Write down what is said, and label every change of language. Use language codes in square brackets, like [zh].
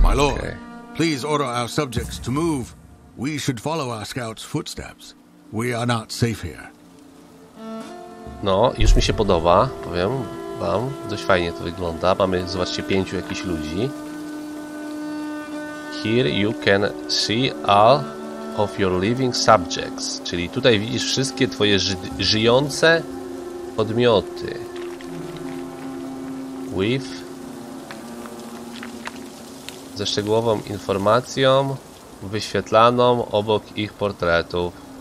[en] My lord, okay. Please order our subjects to move We should follow our scout's footsteps. We are not safe here. [pl] No, już mi się podoba, powiem wam. Dość fajnie to wygląda. Mamy, zobaczcie, pięciu jakichś ludzi. [en] Here you can see all of your living subjects. [pl] Czyli tutaj widzisz wszystkie twoje żyjące podmioty. [en] With... [pl] ze szczegółową informacją wyświetlaną obok ich portretów.